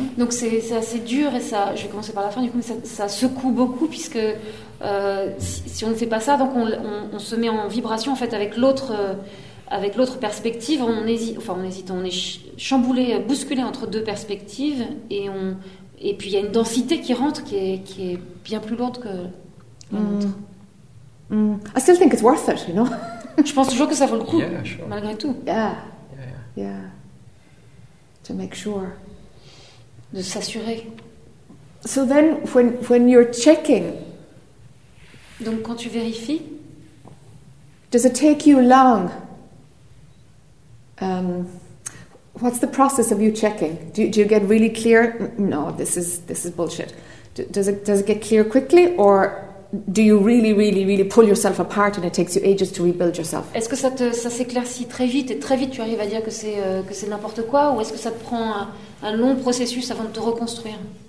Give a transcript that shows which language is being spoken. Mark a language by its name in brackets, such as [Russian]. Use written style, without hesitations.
[French] Donc c'est assez dur et ça, je vais commencer par la fin. Du coup, ça secoue beaucoup puisque si on ne fait pas ça, donc on se met en vibration en fait avec l'autre. Avec l'autre perspective, on est chamboulé, bousculé entre deux perspectives, et puis il y a une densité qui rentre qui est bien plus lourde que l'autre. [English] I still think it's worth it, you know. [French] Je pense toujours que ça vaut le coup, [English] yeah, sure. [French] Malgré tout. Yeah. [English] To make sure. [French] De s'assurer. [English] So then, when you're checking. [French] Donc quand tu vérifies. [English] Does it take you long? What's the process of you checking? Do you get really clear? No, this is bullshit. Does it get clear quickly, or do you really, really, really pull yourself apart and it takes you ages to rebuild yourself? [French] Est-ce que ça s'éclaircit très vite et très vite tu arrives à dire que c'est n'importe quoi, ou est-ce que ça te prend un long processus avant de te reconstruire?